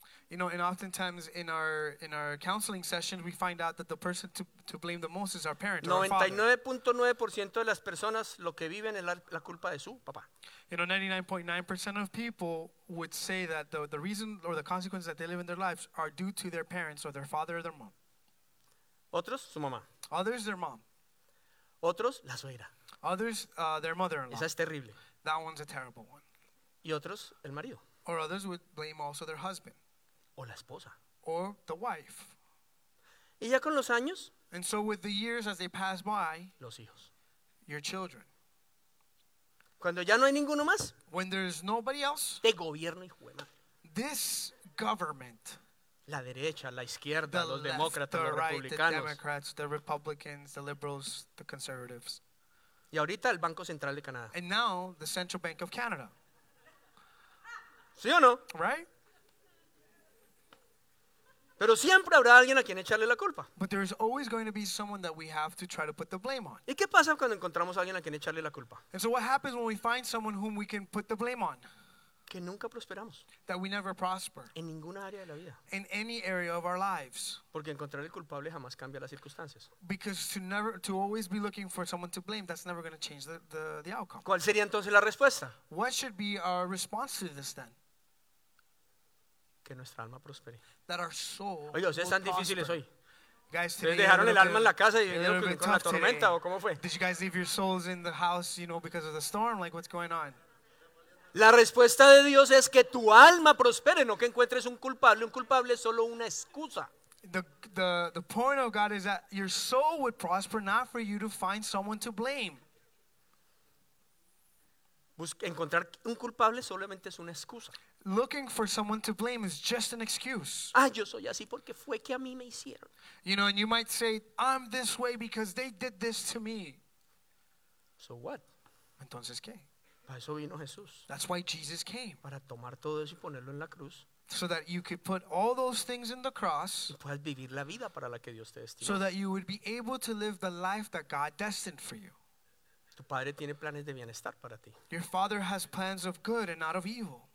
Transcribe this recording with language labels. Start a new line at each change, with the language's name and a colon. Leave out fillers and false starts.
English: You know, and oftentimes in our counseling sessions, we find out that the person to blame the most is our parent or our father.
Spanish: 99.9% de las personas lo que viven es la culpa de su papá.
English: You know, 99.9% of people would say that the reason or the consequences that they live in their lives are due to their parents or their father or their mom.
Spanish: Otros, su mamá.
English: Others, their mom.
Spanish: Otros, la suegra.
English: Others, their mother-in-law.
Spanish: Esa es terrible.
English: That one's a terrible one.
Spanish: Y otros, el marido.
English: Or others would blame also their husband.
Spanish: O la esposa.
English: Or the wife.
Spanish: Y ya con los años.
English: And so with the years as they pass by.
Spanish: Los hijos.
English: Your children.
Spanish: Cuando ya no hay ninguno más.
English: When there's nobody else.
Spanish: De gobierno y juega.
English: This government.
Spanish: La derecha, la izquierda,
English: the
Spanish: los demócratas, los republicanos.
English: The Democrats, the Republicans, the liberals, the conservatives.
Spanish: Y ahorita el Banco Central de Canadá.
English: And now the Central Bank of Canada.
Spanish: ¿Sí o no?
English: Right?
Spanish: Pero siempre habrá alguien a quien echarle la culpa.
English: But there is always going to be someone that we have to try to put the blame on.
Spanish: ¿Y qué pasa cuando encontramos a alguien a quien echarle la culpa?
English: And so what happens when we find someone whom we can put the blame on?
Spanish: Que nunca prosperamos.
English: That we never prosper.
Spanish: En ninguna área de la vida.
English: In any area of our lives.
Spanish: Porque encontrar el culpable jamás cambia las circunstancias.
English: Because to always be looking for someone to blame, that's never going to change the outcome.
Spanish: ¿Cuál sería entonces la respuesta?
English: What should be our response to this then?
Spanish: Que nuestra alma prospere.
English: That our soul.
Spanish: Oye, ustedes están difíciles hoy.
English: Guys,
Spanish: ¿les dejaron el alma en la casa y vinieron con la tormenta o cómo fue?
English: Did you guys leave your souls in the house, you know, because of the storm? Like, what's going on?
Spanish: La respuesta de Dios es que tu alma prospere, no que encuentres un culpable. Un culpable es solo una excusa.
English: The point of God is that your soul would prosper, not for you to find someone to blame.
Spanish: Encontrar un culpable solamente es una excusa.
English: Looking for someone to blame is just an excuse.
Spanish: Ah, yo soy así porque fue que a mí me hicieron.
English: You know, and you might say, I'm this way because they did this to me. So what?
Spanish: Entonces, ¿qué? Para eso vino Jesús.
English: That's why Jesus came.
Spanish: Para tomar todo eso y ponerlo en la cruz.
English: So that you could put all those things in the cross.
Spanish: Y puedas vivir la vida para la que Dios te destinó.
English: So that you would be able to live the life that God destined for you.
Spanish: Tu padre tiene planes de bienestar para ti.
English: Your father has plans of good and not of evil.